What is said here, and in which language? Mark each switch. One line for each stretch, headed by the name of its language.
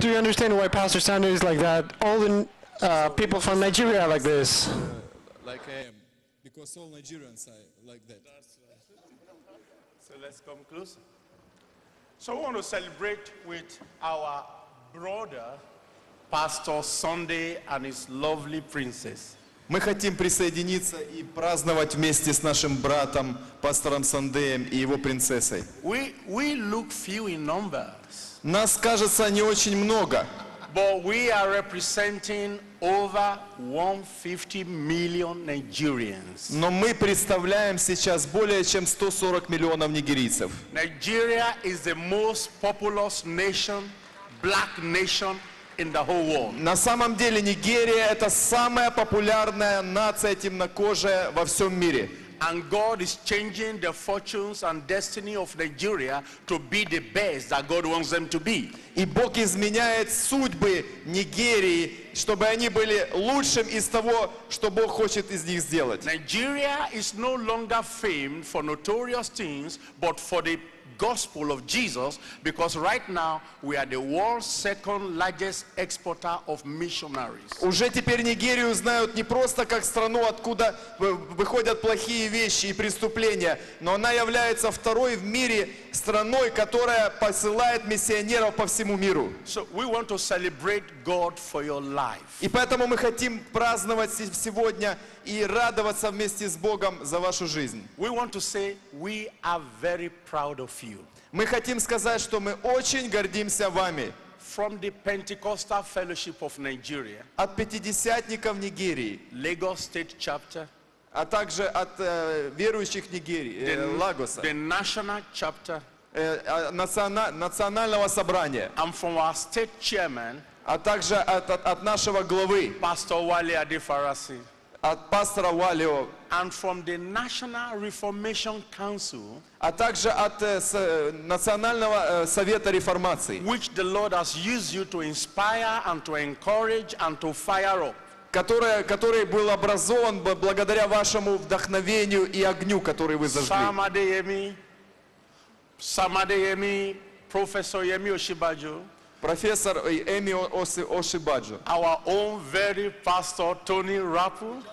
English: Do you understand why Pastor Sunday is like that? All the people from Nigeria are like this. Like I am, because all Nigerians are like that. So let's come closer. So we want to celebrate with our brother, Pastor Sunday, and his lovely princess.
Russian: Мы хотим присоединиться и праздновать вместе с нашим братом, пастором Сандеем и его принцессой.
English: We look few in numbers.
Russian: Нас, кажется, не очень много.
English: But we are representing over 150 million Nigerians.
Russian: Но мы представляем сейчас более чем 140 миллионов нигерийцев.
English: Nigeria is the most populous nation, black nation. In the whole world.
Russian: На самом деле Нигерия это самая популярная нация темнокожая во всем мире.
English: And God is changing the fortunes and destiny of Nigeria to be the best that God wants them to be.
Russian: И Бог изменяет судьбы Нигерии, чтобы они были лучшим из того, что Бог хочет из них сделать.
English: Nigeria is no longer famed for notorious things, but for the gospel of Jesus, because right now we are the world's second largest exporter of missionaries.
Russian: Уже теперь Нигерию знают не просто как страну, откуда выходят плохие вещи и преступления, но она является второй в мире страной, которая посылает миссионеров по всему миру.
English: So we want to celebrate God for your life.
Russian: И поэтому мы хотим праздновать сегодня и радоваться вместе с Богом за вашу жизнь.
English: We want to say we are very proud of you.
Russian: Мы хотим сказать, что мы очень гордимся вами.
English: From the Pentecostal Fellowship of Nigeria.
Russian: От пятидесятников Нигерии.
English: Lagos State Chapter.
Russian: А также от верующих Нигерии, Лагоса.
English: The National Chapter.
Russian: Национального собрания.
English: And from our State Chairman.
Russian: А также от нашего главы.
English: Pastor Wale Adefarasi.
Russian: От пастора Валио.
English: And from the National Reformation Council.
Russian: А также от Национального совета реформации.
English: Which the Lord has used you to inspire and to encourage and to fire up.
Russian: Который был образован благодаря вашему вдохновению и огню, который вы зажгли. Самадеями, профессор Еми Ошибаджо. Профессор Эми Ошибаджо.
English: Our own very pastor Tony Rappu.